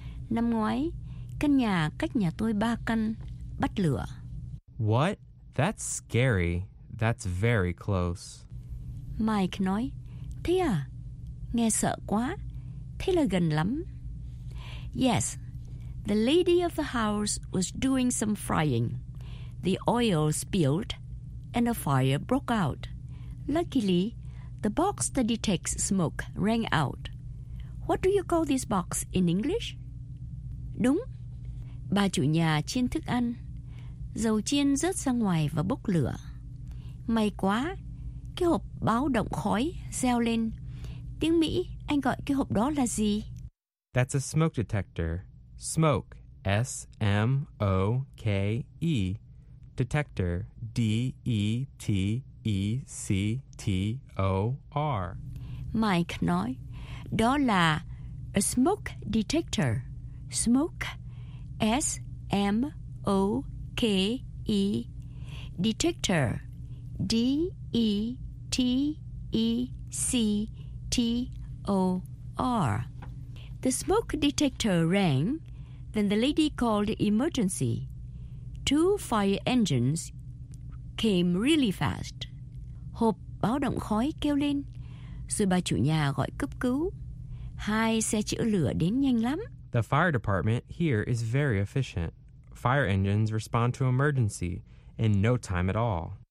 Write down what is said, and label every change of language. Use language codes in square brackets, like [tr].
[vi] Năm ngoái, căn nhà cách nhà tôi ba căn bắt lửa. [en] What? That's scary. That's very close. [vi] Mike nói, thế à? Nghe sợ quá. Thế là gần lắm. [en] Yes, the lady of the house was doing some frying. The oil spilled and a fire broke out. Luckily, the box that detects smoke rang out. What do you call this box in English? [vi] Đúng. Bà chủ nhà chiên thức ăn. Dầu chiên rớt ra ngoài và bốc lửa. May quá, cái hộp báo động khói reo lên. Tiếng Mỹ, anh gọi cái hộp đó là gì? [en] That's a smoke detector. Smoke, S-M-O-K-E. Detector, D-E-T-E-C-T-O-R. [vi] Mike nói, đó là a smoke detector. [en] Smoke, S-M-O-K-E. Detector, D-E-T-E-C-T-O-R. The smoke detector rang, then the lady called emergency. Two fire engines came really fast. [vi] Hộp báo động khói kêu lên, rồi bà chủ nhà gọi cấp cứu. Hai xe chữa lửa đến nhanh lắm. [en] The fire department here is very efficient. Fire engines respond to emergency in no time at all.